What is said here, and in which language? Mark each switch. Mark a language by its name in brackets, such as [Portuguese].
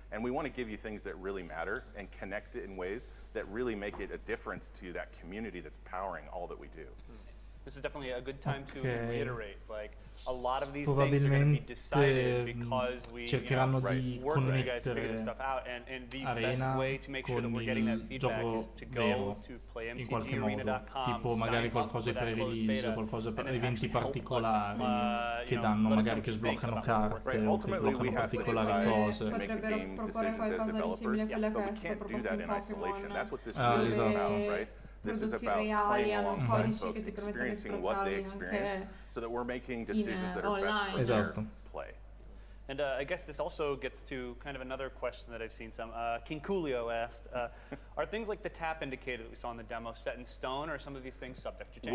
[English] And we want to give you things that really matter and connect it in ways that really make it a difference to that community that's powering all that we do. This is definitely a good time to reiterate. Like, a lot of these things are going to be decided because we, you know, work with you guys to figure this stuff out. And the best way to make sure that we're getting that feedback is to go to playmtgarena.com, [Italian] tipo magari qualcosa per release, qualcosa per eventi particolari che danno, magari che sbloccano carte, sbloccano particolari cose. Esatto. [English] This is about playing alongside folks, experiencing what they experience, so that we're making decisions that are best for their play. And I guess this also gets to kind of another question that I've seen some. King Coolio asked, are things like the tap indicator that we saw in the demo set in stone, or are some of these things subject to change?